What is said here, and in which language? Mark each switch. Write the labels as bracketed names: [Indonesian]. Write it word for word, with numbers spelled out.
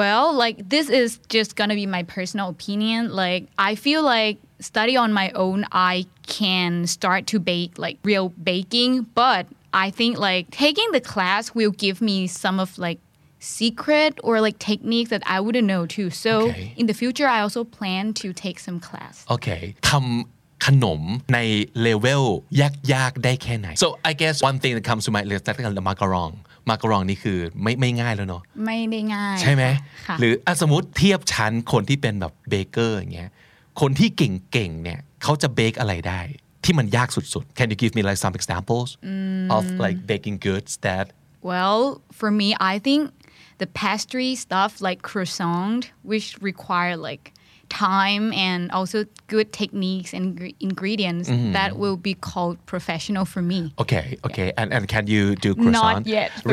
[English] Well, like this is just gonna be my personal opinion. Like I feel like study on my own, I can start to bake like real baking, but I think like taking the class will give me some of like secret or like techniques that I wouldn't know too. So Okay. in the future, I also plan to take some class. [Thai] โอเคทำขนมในเลเวลยากๆได้แค่ไหน [English] So I guess one thing that comes to my list [Thai] ก็คือ macaron macaron นี่คือไม่ไม่ง่ายแล้วเนาะ ไม่ได้ง่าย ใช่ไหม ค่ะ หรืออ่ะสมมติเทียบชั้นคนที่เป็นแบบเบเกอร์อย่างเงี้ยคนที่เก่งๆเนี่ยเขาจะเบคอะไรได้ที่มันยากสุดๆ [English] Can you give me like some examples of like baking goods that Well, for me, I think the pastry stuff like croissant, which require like time and also good techniques and gre- ingredients, that will be called professional for me. okay okay and and can you do croissant yet, but